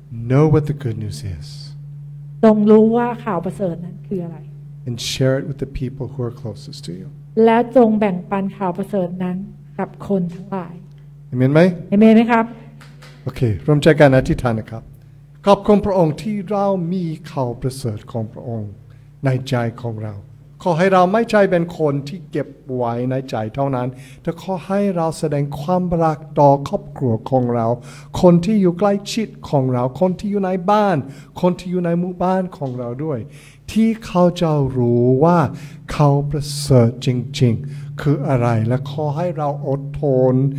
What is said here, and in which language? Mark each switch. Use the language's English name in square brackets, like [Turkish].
[English] Know what the good news is [Thai] จงรู้ว่าข่าวประเสริฐนั้นคืออะไร [English] And share it with the people who are closest to you [Thai] แล้วจงแบ่งปันข่าวประเสริฐนั้นกับคนทั้งหลาย Amen ไหม Amen ไหมครับ โอเคร่วมใจกันอธิษฐานนะครับขอบคุณพระองค์ที่เรามีข่าวประเสริฐของพระองค์ในใจของเราขอให้เราไม่ใช่เป็นคนที่เก็บไว้ในใจเท่านั้นแต่ขอให้เราแสดงความรักต่อครอบครัวของเราคนที่อยู่ใกล้ชิดของเราคนที่อยู่ในบ้านคนที่อยู่ในหมู่บ้านของเราด้วยที่เขาจะรู้ว่าเขาประเสริฐจริงๆคืออะไรและขอให้เราอดทน